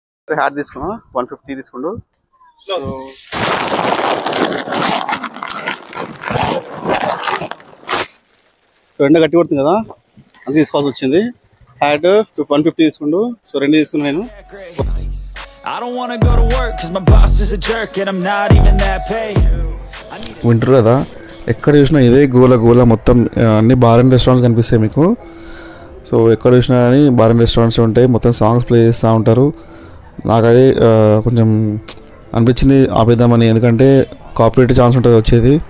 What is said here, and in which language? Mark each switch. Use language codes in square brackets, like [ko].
[te] Hat తీసుకున్నా 150 తీసుకుంటూ. So ఎండ గట్టి కొడుతుంది కదా, అది తీసుకోవాల్సి వచ్చింది. హ్యాట్ 150 తీసుకుంటూ. సో రెండు తీసుకున్నా నేను. [en] I don't want to go to work cuz my boss is a jerk and I'm not even that pay. [te] Winter కదా, ఎక్కడ చూసినా ఇదే గోల గోల, మొత్తం అన్ని బార్ అండ్ రెస్టారెంట్స్ కనిపిస్తాయి మీకు. సో ఎక్కడ చూసినా కానీ బార్ అండ్ రెస్టారెంట్స్ ఉంటాయి, మొత్తం సాంగ్స్ ప్లే చేస్తూ ఉంటారు. నాకు అదే కొంచెం అనిపించింది ఆపేద్దామని, ఎందుకంటే కాపీరైట్ ఛాన్స్ ఉంటుంది వచ్చేది.